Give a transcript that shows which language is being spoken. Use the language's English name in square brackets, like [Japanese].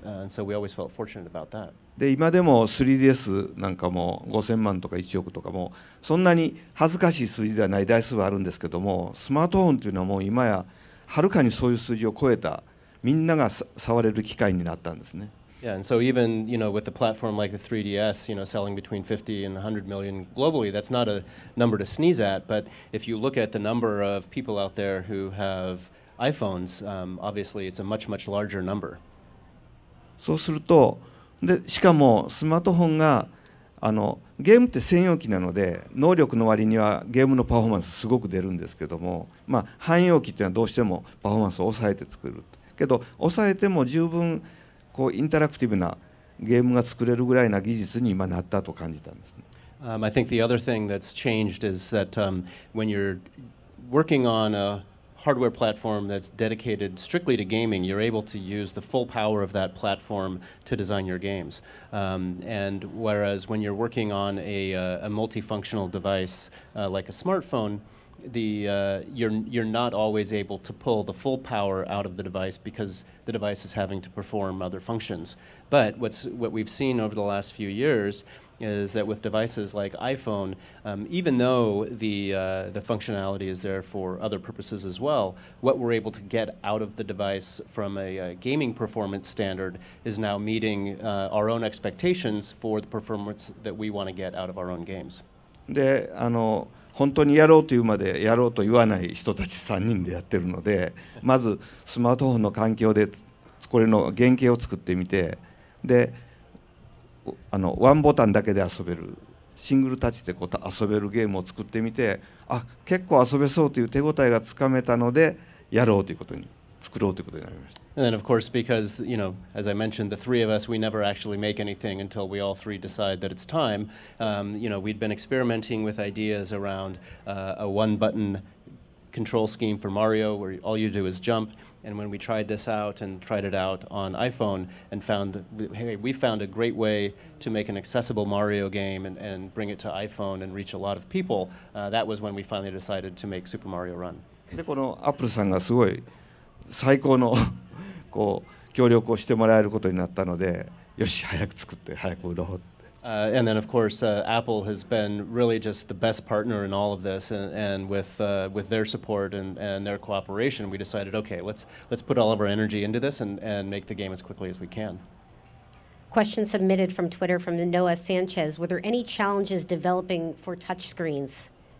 [English] And so we always felt fortunate about that. [Japanese] で、今でも 3DS なんかも5000万とか1億とかもそんなに恥ずかしい数字ではない台数はあるんですけども、スマートフォンというのはもう今やはるかにそういう数字を超えた。みんなが触れる機会になったんですね。 [English] Yeah, and so even, you know, with the platform like the 3DS, you know, selling between 50 and 100 million globally, that's not a number to sneeze at. But if you look at the number of people out there who have iPhones, obviously it's a much, much larger number. [Japanese] そうすると、で、しかもスマートフォンが、あの、ゲームって専用機なので、能力の割にはゲームのパフォーマンスすごく出るんですけども、まあ、汎用機っていうのはどうしてもパフォーマンスを抑えて作る。けど抑えても十分こうインタラクティブなゲームが作れるぐらいな技術に今なったと感じたんですね。 [English] I think the other thing that's changed is that when you're working on a hardware platform that's dedicated strictly to gaming, you're able to use the full power of that platform to design your games. And whereas when you're working on a multifunctional device like a smartphone,you're not always able to pull the full power out of the device because the device is having to perform other functions. But what we've seen over the last few years is that with devices like iPhone, even though the functionality is there for other purposes as well, what we're able to get out of the device from a gaming performance standard is now meeting our own expectations for the performance that we want to get out of our own games. [Japanese] で、あの、本当にやろうというまでやろうと言わない人たち3人でやってるので、まずスマートフォンの環境でこれの原型を作ってみて、で、あのワンボタンだけで遊べるシングルタッチでこう遊べるゲームを作ってみて、あ、結構遊べそうという手応えがつかめたのでやろうということに。 [English] And then, of course, because, you know, as I mentioned, the three of us, we never actually make anything until we all three decide that it's time. You know, we'd been experimenting with ideas around a one-button control scheme for Mario, where all you do is jump. And when we tried this out and tried it out on iPhone and found, hey, we found a great way to make an accessible Mario game and bring it to iPhone and reach a lot of people, that was when we finally decided to make Super Mario Run. [Japanese] で、このアップルさんがすごい最高のこう協力をしてもらえることになったので、よし早く作って早く売ろうって。 [English] And then of course, Apple has been really just the best partner in all of this, and with their support and their cooperation, we decided, okay, let's put all of our energy into this and make the game as quickly as we can. Question submitted from Twitter from Noah Sanchez: Were there any challenges developing for touch screens?